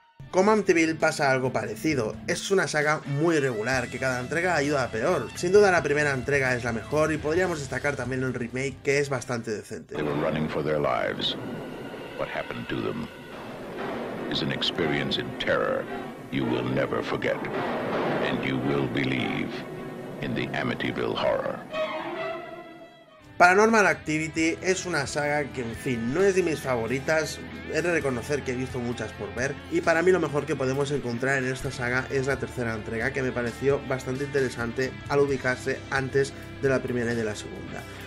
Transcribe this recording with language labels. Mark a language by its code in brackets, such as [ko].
[es] Con Amityville pasa algo parecido, es una saga muy regular que cada entrega ayuda a peor. Sin duda la primera entrega es la mejor y podríamos destacar también el remake, que es bastante decente. [en] They were running for their lives. What happened to them is an experience in terror you will never forget, and you will believe in the Amityville horror. [es] Paranormal Activity es una saga que, en fin, no es de mis favoritas, he de reconocer que he visto muchas por ver, y para mí lo mejor que podemos encontrar en esta saga es la tercera entrega, que me pareció bastante interesante al ubicarse antes de la primera y de la segunda.